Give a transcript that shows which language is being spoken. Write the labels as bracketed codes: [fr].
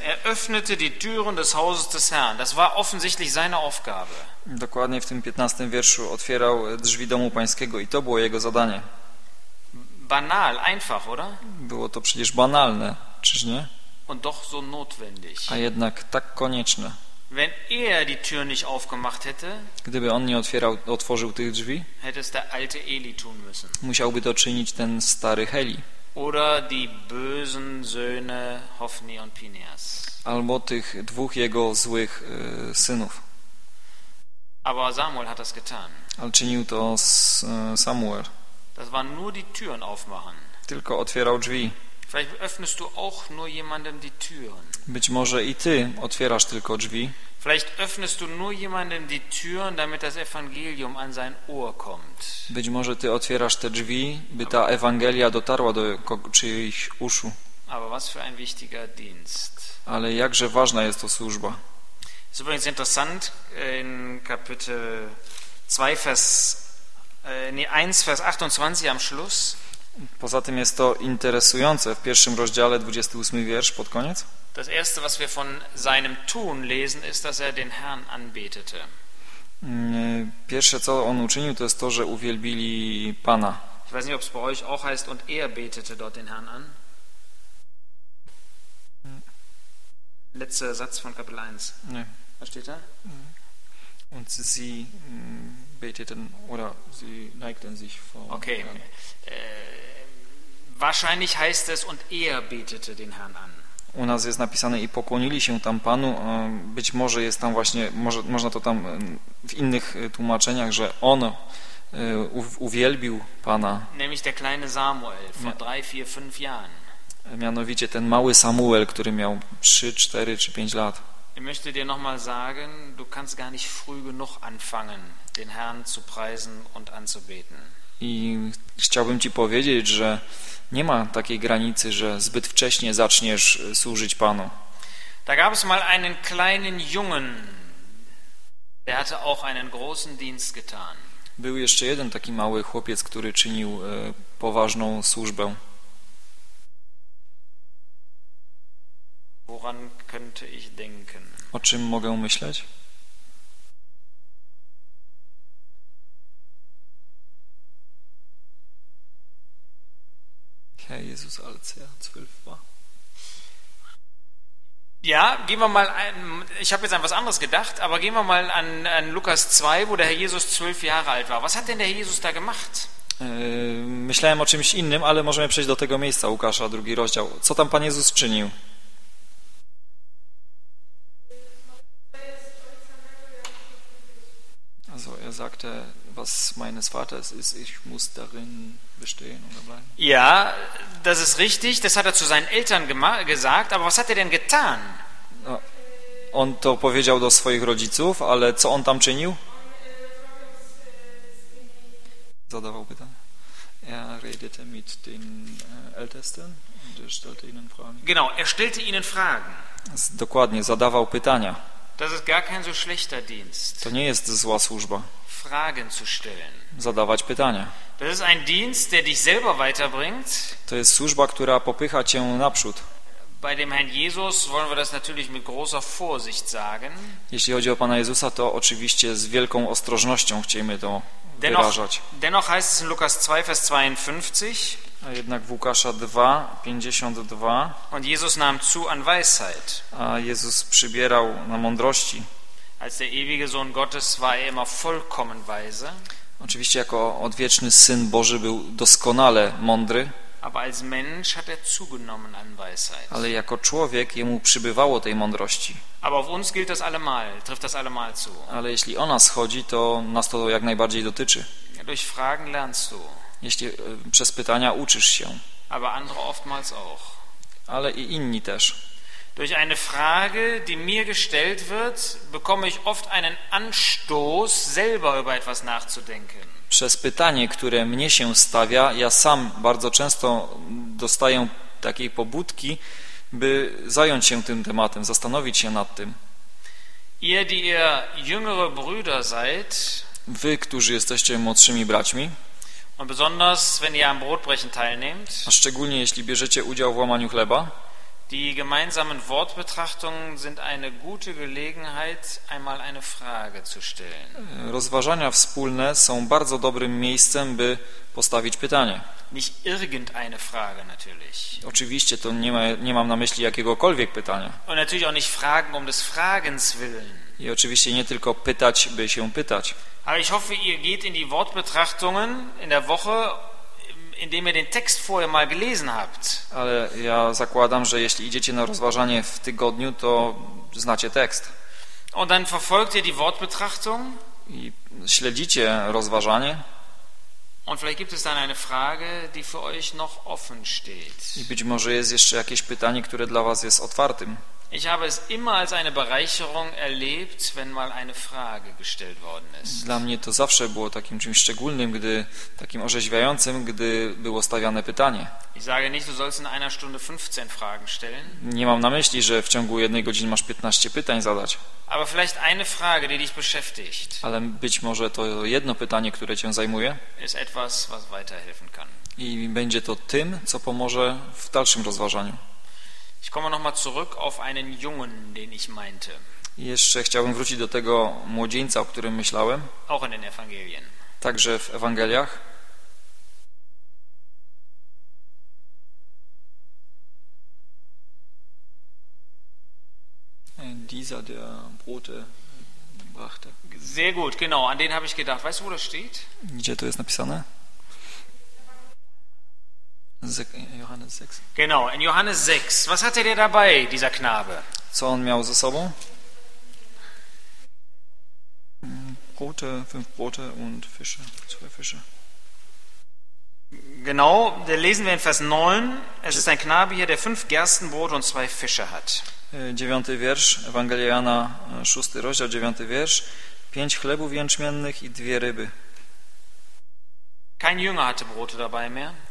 [de] Er öffnete die Türen des Hauses des Herrn. Das war offensichtlich seine Aufgabe. [pl] Dokładnie w tym 15. Wierszu otwierał drzwi domu pańskiego i to było jego zadanie. [de] Banal, einfach, oder? [pl] Było to przecież banalne, czyż nie? [de] Und doch so notwendig. [pl] A jednak tak konieczne. [de] Wenn er die Tür nicht aufgemacht hätte, [pl] gdyby on nie otwierał, otworzył tych drzwi, [de] hätte es der alte Eli tun müssen. [pl] Musiałby to czynić ten stary Heli. [de] Oder die bösen Söhne Hofni und Phineas. [pl] Albo tych dwóch jego złych synów. [de] Aber Samuel hat das getan. [pl] Ale czynił to Samuel. [de] Das waren nur die Türen aufmachen. [pl] Tylko otwierał drzwi. [de] Vielleicht öffnest du auch nur jemandem die Türen. [pl] Być może i ty otwierasz tylko drzwi. [de] Vielleicht öffnest du nur jemandem die Türen, damit das Evangelium an sein Ohr kommt. [pl] Być może ty otwierasz te drzwi, by ta Ewangelia dotarła do czyichś uszu. [de] Aber was für ein wichtiger Dienst. [pl] Ale jakże ważna jest to służba. [de] Ist übrigens interessant, in Kapitel 2, Vers 1, Vers 28 am Schluss. [pl] Poza tym jest to interesujące w pierwszym rozdziale 28 wiersz pod koniec. [de] Das erste, was wir von seinem Tun lesen, ist, dass er den Herrn anbetete. [pl] Pierwsze, co on uczynił, to jest to, że uwielbili Pana. [de] Ich weiß nicht, ob es bei euch auch heißt, und er betete dort den Herrn an. Letzter Satz von Kapitel 1. Nee. Was steht da? Und sie beteten oder sie neigten sich vor. Okay. Wahrscheinlich heißt es, und er betete den Herrn an. [pl] U nas jest napisane i pokłonili się tam Panu. Być może jest tam właśnie, może, można to tam w innych tłumaczeniach, że on uwielbił Pana. [de] Nämlich der kleine Samuel vor 3, 4, 5 Jahren. [pl] Mianowicie ten mały Samuel, który miał 3, 4 czy 5 lat. [de] Ich möchte dir nochmal sagen, du kannst gar nicht früh genug anfangen, den Herrn zu preisen und anzubeten. [pl] I chciałbym ci powiedzieć, że nie ma takiej granicy, że zbyt wcześnie zaczniesz służyć Panu. [de] Da gab es mal einen kleinen Jungen, der hatte auch einen großen Dienst getan. [pl] Był jeszcze jeden taki mały chłopiec, który czynił poważną służbę. [de] Woran könnte ich denken? [pl] O czym mogę myśleć? [de] Herr Jesus, als er 12 war. Ja, gehen wir mal ein, ich habe jetzt an was anderes gedacht, aber gehen wir mal an Lukas 2, wo der Herr Jesus 12 Jahre alt war. Was hat denn der Herr Jesus da gemacht? [pl] Myślałem o czymś innym, ale możemy przejść do tego miejsca, Łukasza, drugi rozdział. Co tam Pan Jezus czynił? [de] Also, er sagte, was meines Vaters ist, ich muss darin bestehen oder bleiben. Ja, das ist richtig, das hat er zu seinen Eltern gesagt, aber was hat er denn getan? [pl] No, on to powiedział do swoich rodziców, ale co on tam czynił? Zadawał pytanie. [de] Er redete mit den Ältesten und er stellte ihnen Fragen. Genau, er stellte ihnen Fragen. [pl] Dokładnie, zadawał pytania. [de] Das ist gar kein so schlechter Dienst. [pl] To nie jest zła służba. [de] Fragen zu stellen. [pl] Zadawać pytania. [de] Das ist ein Dienst, der dich selber weiterbringt. [pl] To jest służba, która popycha cię naprzód. [de] Bei dem Herrn Jesus wollen wir das natürlich mit großer Vorsicht sagen. [pl] Jeśli chodzi o Pana Jezusa, to oczywiście z wielką ostrożnością chcemy to wyrażać. [de] Dennoch heißt es in Lukas 2, Vers 52. [pl] A jednak w Łukasza 2, 52. [de] Und Jesus nahm zu an Weisheit. [pl] A Jezus przybierał na mądrości. [de] Als der ewige Sohn Gottes war er immer vollkommen weise. [pl] Oczywiście jako odwieczny Syn Boży był doskonale mądry. [de] Aber als Mensch hat zugenommen an Weisheit. [pl] Ale jako człowiek jemu przybywało tej mądrości. [de] Aber auf uns gilt das allemal, trifft das allemal zu. [pl] Ale jeśli o nas chodzi, to nas to jak najbardziej dotyczy. [de] Durch Fragen lernst du. [pl] Jeśli przez pytania uczysz się. [de] Aber andere oftmals auch. [pl] Ale i inni też. [de] Durch eine Frage, die mir gestellt wird, bekomme ich oft einen Anstoß, selber über etwas nachzudenken. [pl] Przez pytanie, które mnie się stawia, ja sam bardzo często dostaję takiej pobudki, by zająć się tym tematem, zastanowić się nad tym. [de] Ihr, die ihr jüngere Brüder seid, [pl] wy, którzy jesteście młodszymi braćmi, [de] und besonders, wenn ihr am Brotbrechen teilnehmt, [pl] a szczególnie jeśli bierzecie udział w łamaniu chleba, [de] die gemeinsamen Wortbetrachtungen sind eine gute Gelegenheit, einmal eine Frage zu stellen. [pl] Rozważania wspólne są bardzo dobrym miejscem, by postawić pytanie. [de] Nicht irgendeine Frage natürlich. [pl] Oczywiście to nie, ma, nie mam na myśli jakiegokolwiek pytania. [de] Und natürlich auch nicht Fragen um des Fragens willen. [pl] I oczywiście nie tylko pytać, by się pytać. [de] Aber ich hoffe, ihr geht in die Wortbetrachtungen in der Woche, indem ihr den Text vorher mal gelesen habt. [pl] Ale ja zakładam, że jeśli idziecie na rozważanie w tygodniu, to znacie tekst. [de] Und dann verfolgt ihr die Wortbetrachtung. [pl] I śledzicie rozważanie. [de] Und vielleicht gibt es dann eine Frage, die für euch noch offen steht. [pl] I być może jest jeszcze jakieś pytanie, które dla was jest otwartym. [de] Ich habe es immer als eine Bereicherung erlebt, wenn mal eine Frage gestellt worden ist. [pl] Dla mnie to zawsze było takim czymś szczególnym, gdy takim orzeźwiającym, gdy było stawiane pytanie. [de] Ich sage nicht, du sollst in einer Stunde 15 Fragen stellen. [pl] Nie mam na myśli, że w ciągu jednej godziny masz 15 pytań zadać. [de] Aber vielleicht eine Frage, die dich beschäftigt. [pl] Ale być może to jedno pytanie, które cię zajmuje. [de] Ist etwas, was weiterhelfen kann. [pl] I będzie to tym, co pomoże w dalszym rozważaniu. [de] Ich komme noch mal zurück auf einen Jungen, den ich meinte. [pl] Jeszcze chciałbym wrócić do tego młodzieńca, o którym myślałem. [de] Auch in den Evangelien. [pl] Także w Ewangeliach. [de] Dieser, der Brote brachte. Sehr gut, genau. An den habe ich gedacht. Weißt du, wo das steht? [pl] Gdzie to jest napisane? [de] Johannes 6. Genau, in Johannes 6. Was hatte der dabei, dieser Knabe? Co on miał ze sobą? Brote, fünf Brote und Fische, zwei Fische. Genau, da lesen wir in Vers 9. Es ist ein Knabe hier, der fünf Gerstenbrote und zwei Fische hat. [pl] 9. wiersz, Ewangelia Jana, 6. rozdział, 9. wiersz. Pięć chlebów jęczmiennych i dwie ryby. [de] Kein Jünger hatte Brote dabei mehr.